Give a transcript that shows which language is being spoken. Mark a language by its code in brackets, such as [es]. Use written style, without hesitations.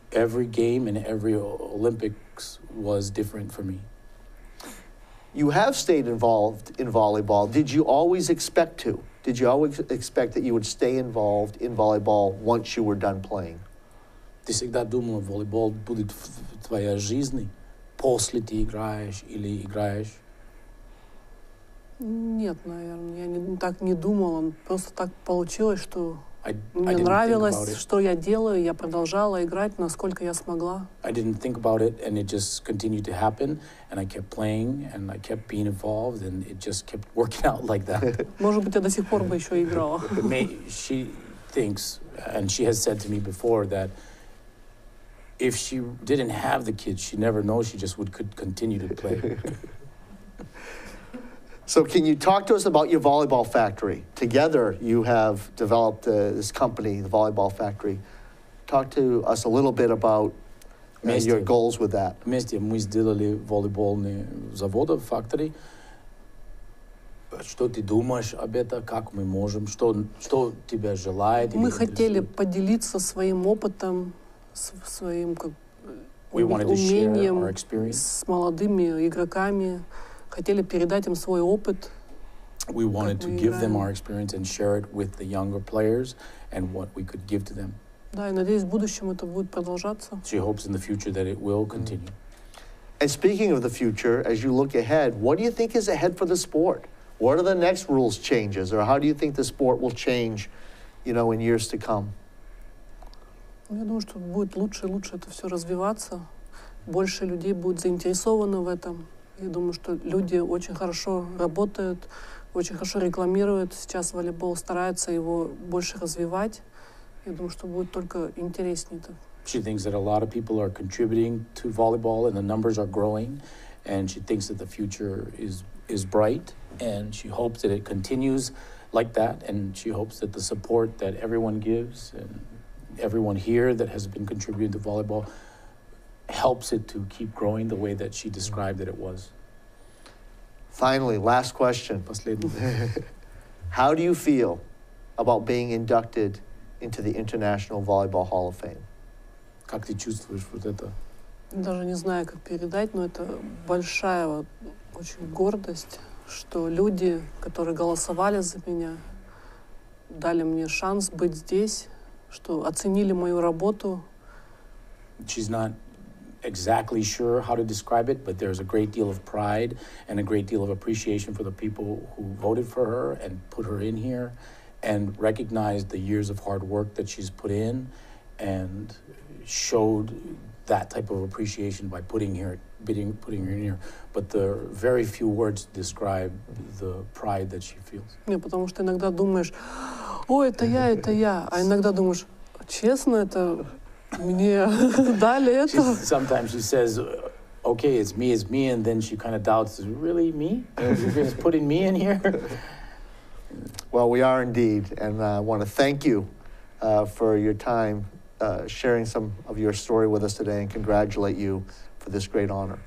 [en] Every game and every Olympics was different for me. You have stayed involved in volleyball. Did you always expect to? Did you always expect that you would stay involved in volleyball once you were done playing? [ru] Ты всегда думал, волейбол будет в твоей жизни? После ты играешь или играешь? Нет, наверное, я так не думала. Просто так получилось, что мне нравилось, что я делаю, я продолжала играть, насколько я смогла. [en] I didn't think about it, and it just continued to happen, and I kept playing, and I kept being involved, and it just kept working out like that. [ru] Может быть, я до сих пор бы еще играла. [en] She thinks, and she has said to me before that if she didn't have the kids, she never knows, she just could continue to play. So can you talk to us about your volleyball factory? Together, you have developed this company, the Volleyball Factory. Talk to us a little bit about your goals with that. [ru] Вместе мы сделали волейбольный завод, factory. Что ты думаешь об этом, как мы можем, что тебя желает? Мы хотели поделиться своим опытом, своим умением с молодыми игроками, хотели передать им свой опыт. [en] We wanted to give them our experience and share it with the younger players and what we could give to them. [ru] Да, я надеюсь, в будущем это будет продолжаться. [en] She hopes in the future that it will continue. And speaking of the future, as you look ahead, what do you think is ahead for the sport? What are the next rules changes, or how do you think the sport will change, you know, in years to come? [ru] Я думаю, что будет лучше и лучше это все развиваться. Больше людей будет заинтересовано в этом. Я думаю, что люди очень хорошо работают, очень хорошо рекламируют. Сейчас волейбол старается его больше развивать. Я думаю, что будет только интереснее это. [en] She thinks that a lot of people are contributing to volleyball and the numbers are growing, and she thinks that the future is bright, and she hopes that it continues like that, and she hopes that the support that everyone gives and everyone here that has been contributing to volleyball helps it to keep growing the way that she described that it was. Finally, last question. How do you feel about being inducted into the International Volleyball Hall of Fame? [ru] Как ты чувствуешь вот это? Даже не знаю, как передать, но это большая вот, очень гордость, что люди, которые голосовали за меня, дали мне шанс быть здесь, что оценили мою работу. [en] She's not exactly sure how to describe it, but there's a great deal of pride and a great deal of appreciation for the people who voted for her and put her in here and recognized the years of hard work that she's put in and showed that type of appreciation by putting her in here, but the very few words describe the pride that she feels. [ru] Не, потому что иногда думаешь, о, это я, а иногда думаешь, честно, это мне дали это. [en] Sometimes she says, okay, it's me, and then she kind of doubts, is it really me? Are you just putting me in here? Well, we are indeed, and I want to thank you for your time. Sharing some of your story with us today and congratulate you for this great honor.